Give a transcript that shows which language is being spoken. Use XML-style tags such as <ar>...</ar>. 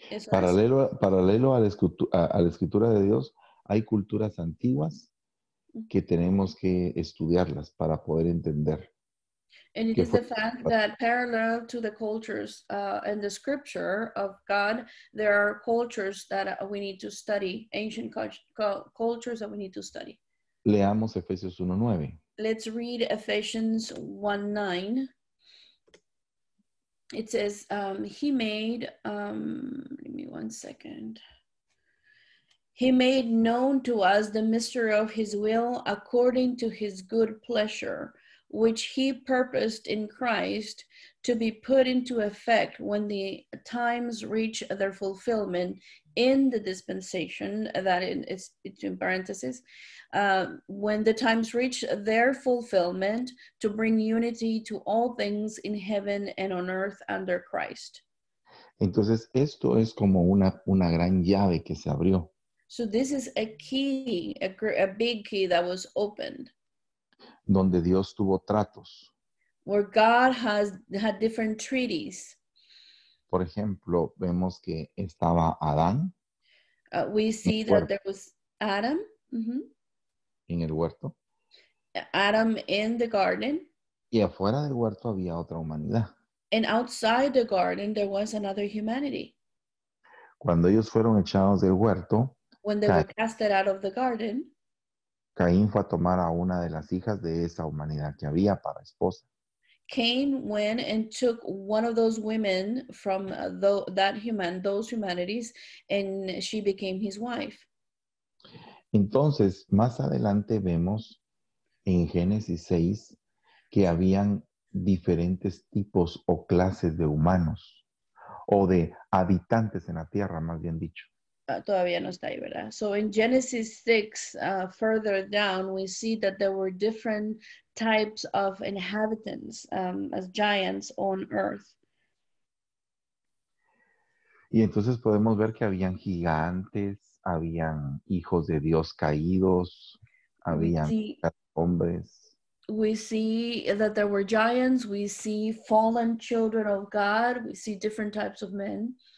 <es>Paralelo a la escritura de Dios hay culturas antiguas que tenemos que estudiarlas para poder entender.</es> <en>And it is the fact that parallel to the cultures and the scripture of God, there are cultures that we need to study, ancient cultures that we need to study.</en> <es>Leamos Efesios 1:9.</es> <en>Let's read Ephesians 1:9. It says, He made known to us the mystery of his will according to his good pleasure, which he purposed in Christ to be put into effect when the times reach their fulfillment in the dispensation, that is, it's in parentheses, when the times reach their fulfillment to bring unity to all things in heaven and on earth under Christ.</en> <es>Entonces, esto es como una gran llave que se abrió.</es> <en>So this is a key, a big key that was opened.</en> <es>Donde Dios tuvo tratos.</es> <en>Where God has had different treaties.</en> <es>Por ejemplo, vemos que estaba Adán.</es> <en>We see that there was Adam. Mm-hmm.</en> <es>En el huerto.</es> <en>Adam in the garden.</en> <es>Y afuera del huerto había otra humanidad.</es> <en>And outside the garden there was another humanity.</en> <es>Cuando ellos fueron echados del huerto.</es> <en>When they were casted out of the garden.</en> <es>Caín fue a tomar a una de las hijas de esa humanidad que había para esposa.</es> <en>Cain went and took one of those women from those humanities, and she became his wife.</en> <es>Entonces, más adelante vemos en Génesis 6 que habían diferentes tipos o clases de humanos, o de habitantes en la tierra, más bien dicho. Todavía no está ahí, ¿verdad?</es> <en>So in Genesis 6, further down, we see that there were different types of inhabitants as giants on earth.</en> <es>Y entonces podemos ver que habían gigantes, habían hijos de Dios caídos, habían hombres.</es> <en>We see that there were giants, we see fallen children of God, we see different types of men.</en>